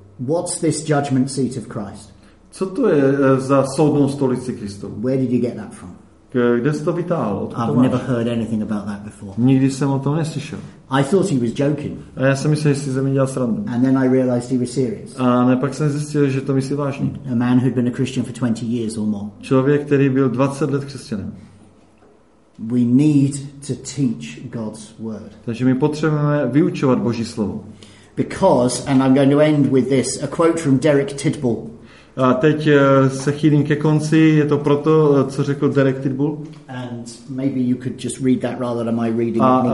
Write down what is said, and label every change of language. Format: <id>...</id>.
<en>what's this judgment seat of Christ?</en> <cs>Co to je za soudnou stolici Kristovu?</cs> <en>Where did you get that from?</en> <cs>Kde jsi to vytáhl?</cs> <en>I've never heard anything about that before.</en> <cs>Nikdy jsem o tom neslyšel.</cs> <en>I thought he was joking.</en> <cs>A já jsem myslel, že si ze mě dělal srandu.</cs> <en>And then I realized he was serious.</en> <cs>A ne, pak jsem zjistil, že to myslí vážně.</cs> <en>A man who'd been a Christian for 20 years or more.</en> <cs>Člověk, který byl 20 let křesťanem.</cs> <en>We need to teach God's word.</en> <cs>Takže my potřebujeme vyučovat Boží slovo.</cs> <en>Because, and I'm going to end with this, a quote from Derek Tidball.</en> <cs>A teď se chýlím ke konci, je to proto, co řekl Derek Tidball.</cs> <en>And maybe you could just read that rather than my reading.</en>